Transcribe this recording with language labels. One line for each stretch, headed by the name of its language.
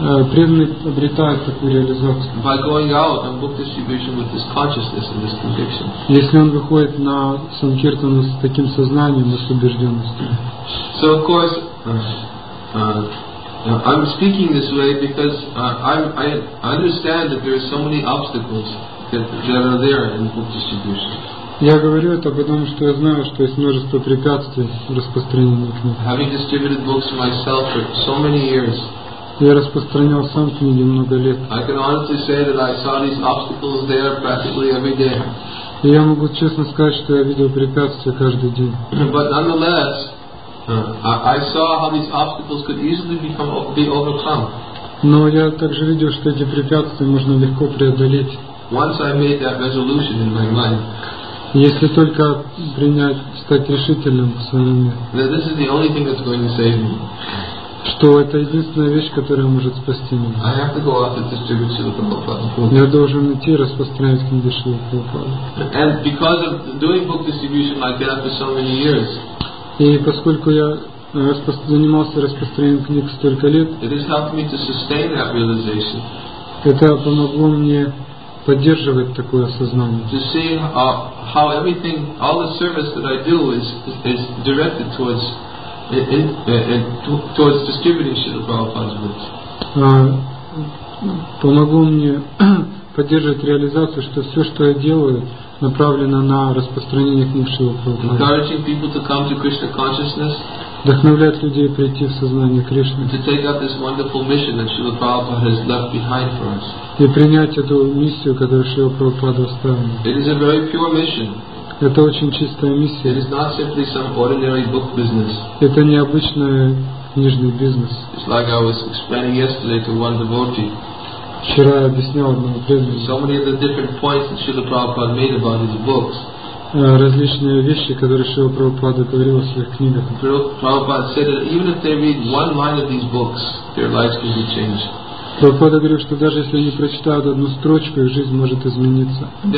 Russian: Преданный обретает такую реализацию.
English: By going out on book distribution with this consciousness and this conviction.
Russian: Если он выходит на санкиртану с таким сознанием и с убежденностью.
English: So of course, I'm speaking this way because I understand that there are so many obstacles that are there in book distribution.
Russian: Я говорю это потому, что я знаю, что есть множество препятствий в распространении книг.
English: Having distributed books myself for so many years.
Russian: Я распространял сам книги много лет.
English: I can honestly say that I saw these obstacles there practically every day.
Russian: И я могу честно сказать, что я видел препятствия каждый день.
English: But nonetheless, I saw how these obstacles could easily be overcome.
Russian: Но я также видел, что эти препятствия можно легко преодолеть.
English: Once I made that resolution in my mind.
Russian: Если только принять, стать решительным в своем уме.
English: This is the only thing that's going to save me.
Russian: Что это единственная вещь, которая может спасти меня.
English: I have to go out and distribute Srila Prabhupada.
Russian: Я должен идти и распространять книги Шрилы Прабхупады.
English: And because of doing book distribution like that for so many years.
Russian: И поскольку я занимался распространением книг столько лет.
English: It has helped me to sustain that realization.
Russian: Это помогло мне поддерживать такое осознание.
English: To see how everything, all the service that I do is directed towards. Towards distributing Srila Prabhupada's books.
Russian: Помогло мне поддерживать реализацию, что все, что я делаю, направлено на распространение книг Шрилы Прабхупады.
English: Encouraging people to come to Krishna consciousness.
Russian: Вдохновлять людей прийти в сознание Кришны.
English: To take up this wonderful mission that Srila Prabhupada has left behind for us.
Russian: И принять эту миссию, которую Шрила Прабхупада оставил.
English: It is a very pure mission.
Russian: Это очень чистая миссия.
English: It is not simply some ordinary book business.
Russian: Это не обычный книжный бизнес.
English: It's like I was explaining yesterday to one devotee.
Russian: Вчера я объяснял одному преданному.
English: So many of the different points that Srila Prabhupada made about his books.
Russian: Различные вещи, которые Шрила Прабхупада говорил о своих книгах.
English: Prabhupada said that even if they read one line of these books, their lives can be changed.
Russian: Прабхупада говорил, что даже если они прочитают одну строчку, их жизнь может измениться.